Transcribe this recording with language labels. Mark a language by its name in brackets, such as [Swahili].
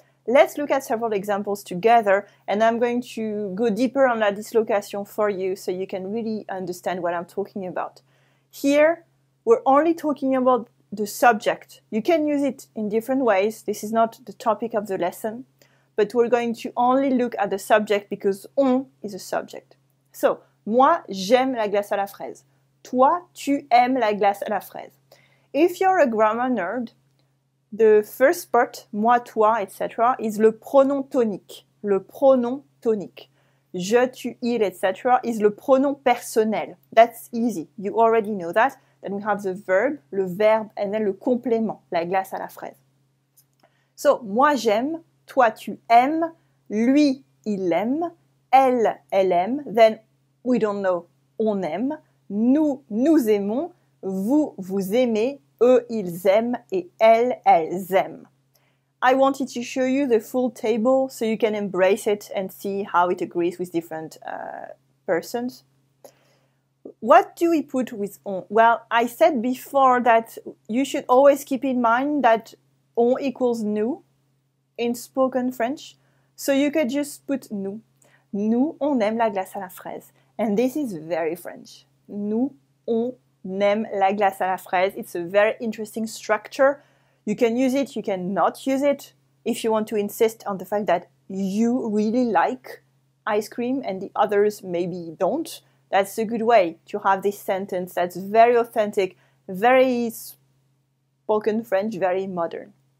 [English] Let's look at several examples together, and I'm going to go deeper on la dislocation for you so you can really understand what I'm talking about. Here, we're only talking about the subject. You can use it in different ways. This is not the topic of the lesson, but we're going to only look at the subject because on is a subject. [French] So, moi, j'aime la glace à la fraise. Toi, tu aimes la glace à la fraise. [English] If you're a grammar nerd, the first part, [French] moi, toi, [English] etc., is [French] le pronom tonique. Le pronom tonique. Je, tu, il, etc., [English] is [French] le pronom personnel. [English] That's easy. You already know that. Then we have the verb, [French] le verbe, [English] and then [French] le complément, la glace à la fraise. So, moi, j'aime. Toi, tu aimes. Lui, il aime. Elle, elle aime. [English] Then, we don't know, [French] on aime. Nous, nous aimons. Vous, vous aimez. Eux, ils aiment, et elles, elles aiment. [English] I wanted to show you the full table so you can embrace it and see how it agrees with different persons. What do we put with on? Well, I said before that you should always keep in mind that on equals nous in spoken French. So you could just put nous. [French] Nous, on aime la glace à la fraise. [English] And this is very French. [French] Nous, on aime la glace à la fraise. [English] It's a very interesting structure. You can use it, you cannot use it. If you want to insist on the fact that you really like ice cream and the others maybe don't, that's a good way to have this sentence that's very authentic, very spoken French, very modern.